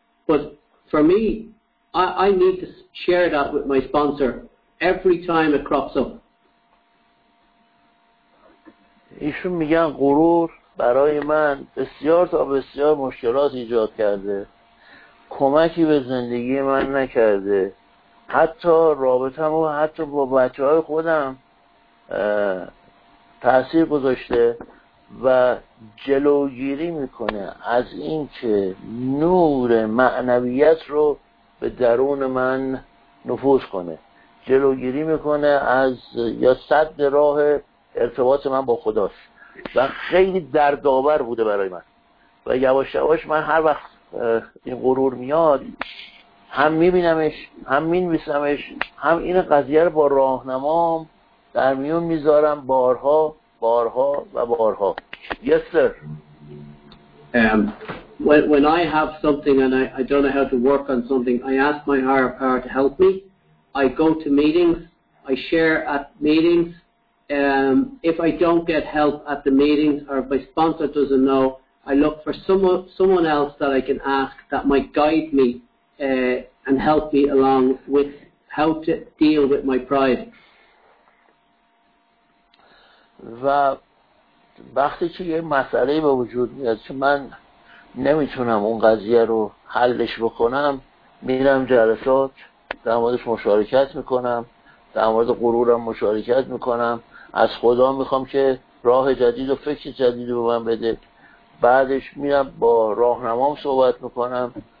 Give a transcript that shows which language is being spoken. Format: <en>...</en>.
<en>But for me, I need to share that with my sponsor every time it crops up.</en> <fa>ایشون میگن غرور برای من بسیار تا بسیار مشکلات ایجاد کرده، کمکی به زندگی من نکرده، حتی رابطه‌ام و حتی با بچه‌های خودم تأثیر گذاشته و جلوگیری میکنه از این که نور معنویت رو به درون من نفوذ کنه، جلوگیری میکنه از یا سد راه ارتباط من با خداست و خیلی دردآور بوده برای من. و یواش یواش من هر وقت این غرور میاد هم میبینمش هم مینویسمش، هم این قضیه رو با راهنمام در میون میذارم بارها بارها و بارها.</fa> <en>Yes sir. When I have something and I don't know how to work on something, I ask my higher power to help me. I go to meetings, I share at meetings. If I don't get help at the meetings or if my sponsor doesn't know, I look for someone else that I can ask that might guide me and help me along with how to deal with my pride.</en> <fa>و وقتی که یه مسئله به وجود میاد که من نمیتونم اون قضیه رو حلش بکنم، میرم جلسات در موردش مشارکت میکنم، در مورد غرورم مشارکت میکنم، از خدا میخوام که راه جدید و فکر جدید به من بده، بعدش میرم با راهنمام صحبت میکنم.</fa>